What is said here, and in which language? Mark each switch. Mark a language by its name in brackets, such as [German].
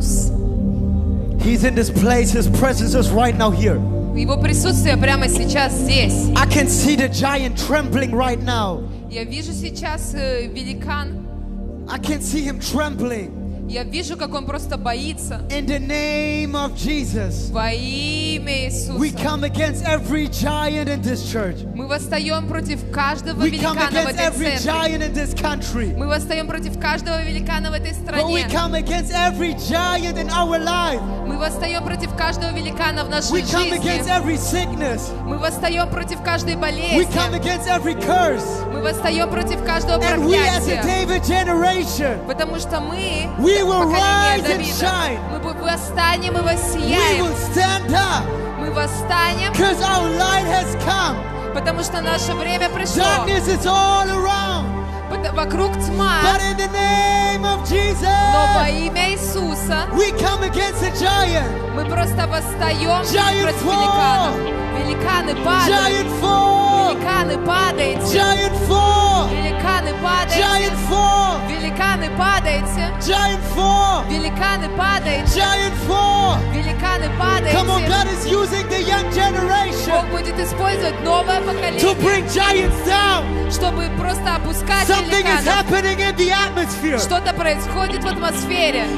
[English] In this place, His presence is right now here. [Russian] Его присутствие прямо сейчас здесь. [English] I can see the giant trembling right now. [Russian] Я вижу сейчас великан. [English] I can see him trembling. [Russian] Я вижу, как он просто боится. [English] In the name of Jesus. [Russian] Во имя Иисуса. [English] We come against every giant in this church. [Russian] Мы восстаем против каждого великана в этой церкви. [English] We come against every giant in this country. [Russian] Мы восстаем против каждого великана в этой стране. [English] But we come against every giant in our life. [Russian] Мы восстаем против каждого великана в нашей жизни. [English] We come against every sickness. [Russian] Мы восстаем против каждой болезни. [English] We come against every curse. [Russian] Мы восстаем против каждого проклятия. [English] And we as a David generation. [Russian] Потому что мы [English] We will rise and shine. [Russian] Мы восстанем и воссияем. [English] We will stand up. [Russian] Мы восстанем. [English] Because our light has come. [Russian] Потому что наше время пришло. [English] Darkness is all around. [Russian] Вокруг тьма. [English] But in the name of Jesus, [Russian] но во имя Иисуса [English] we come against a giant. [Russian] Мы просто восстаем [English] giant [Russian] против [English] fall. [Russian] Великанов. Великаны падают. [English] Giant fall. [Russian] Великаны падают. [English] Giant fall. [Russian] Великаны падают. [English] Giant fall. [Russian] Великаны падают. [English] Giant fall. [Russian] Великаны падают. [English] Giant fall. [Russian] Великаны падают. [English] Come on, God is using the young generation. [Russian] Бог будет использовать новое поколение. [English] To bring giants down. [Russian] Чтобы просто опускать великанов. [English] Something is happening in the atmosphere. [Russian] Что-то происходит в атмосфере.